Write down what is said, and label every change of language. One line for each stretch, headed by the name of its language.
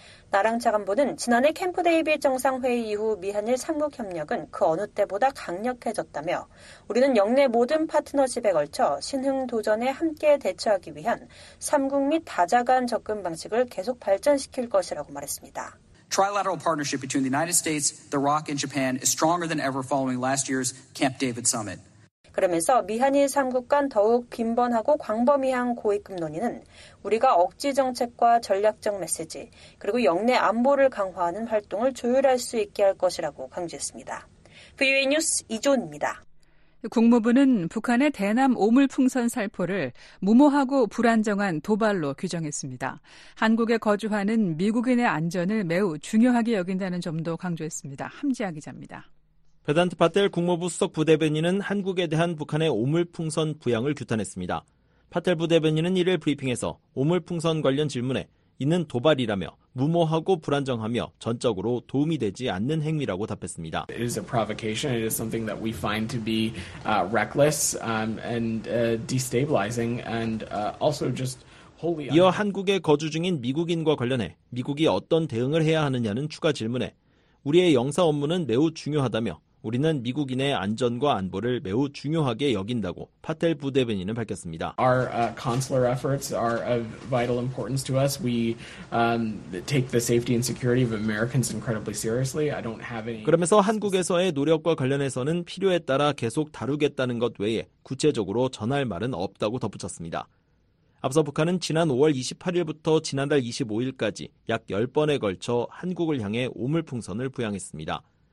Korean: 나랑 차관보는 지난해 캠프데이빗 정상회의 이후 미한일 3국 협력은 그 어느 때보다 강력해졌다며 우리는 영내 모든 파트너십에 걸쳐 신흥 도전에 함께 대처하기 위한 3국 및 다자간 접근 방식을 계속 발전시킬 것이라고 말했습니다.
English: Trilateral partnership between the United States, the ROC and Japan is stronger than ever following last year's Camp David summit.
Korean: 그러면서 미한일 3국 간 더욱 빈번하고 광범위한 고위급 논의는 우리가 억지 정책과 전략적 메시지 그리고 영내 안보를 강화하는 활동을 조율할 수 있게 할 것이라고 강조했습니다. VOA 뉴스 이조은입니다. 국무부는 북한의 대남 오물풍선 살포를 무모하고 불안정한 도발로 규정했습니다. 한국에 거주하는 미국인의 안전을 매우 중요하게 여긴다는 점도 강조했습니다. 함지아 기자입니다. 베단트 파텔 국무부 수석 부대변인은 한국에 대한 북한의 오물풍선 부양을 규탄했습니다. 파텔 부대변인은 이를 브리핑해서 오물풍선 관련 질문에 이는 도발이라며 무모하고 불안정하며 전적으로 도움이 되지 않는 행위라고 답했습니다.
English: It is a provocation. It is something that we find to be reckless and destabilizing and also just
Korean: 이어 한국에 거주 중인 미국인과 관련해 미국이 어떤 대응을 해야 하느냐는 추가 질문에 우리의 영사 업무는 매우 중요하다며 우리는 미국인의 안전과 안보를 매우 중요하게 여긴다고 파텔 부대변인은 밝혔습니다.
English: Our consular efforts are of vital importance to us. We take the safety and security of Americans incredibly seriously. I don't have any
Korean: 그러면서 한국에서의 노력과 관련해서는 필요에 따라 계속 다루겠다는 것 외에 구체적으로 전할 말은 없다고 덧붙였습니다. 앞서 북한은 지난 5월 28일부터 지난달 25일까지 약 10번에 걸쳐 한국을 향해 오물풍선을 부양했습니다.